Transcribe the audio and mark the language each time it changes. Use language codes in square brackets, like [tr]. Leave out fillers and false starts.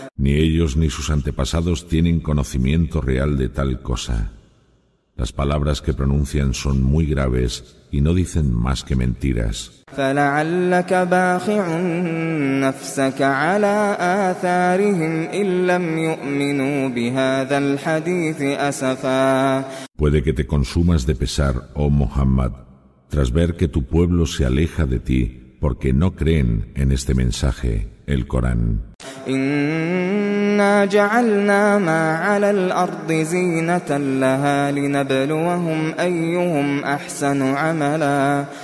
[es] Ni ellos ni sus antepasados tienen conocimiento real de tal cosa. Las palabras que pronuncian son muy graves y no dicen más que mentiras. [ar] فلعلك باخع نفسك على آثارهم إن لم يؤمنوا بهذا الحديث أسفا. [es] Puede que te consumas de pesar, oh Muhammad, tras ver que tu pueblo se aleja de ti porque no creen en este mensaje, el Corán. [ar] إِنَّا جَعَلْنَا مَا عَلَى الْأَرْضِ زِينَةً لَهَا لِنَبْلُوَهُمْ أَيُّهُمْ أَحْسَنُ عَمَلًا.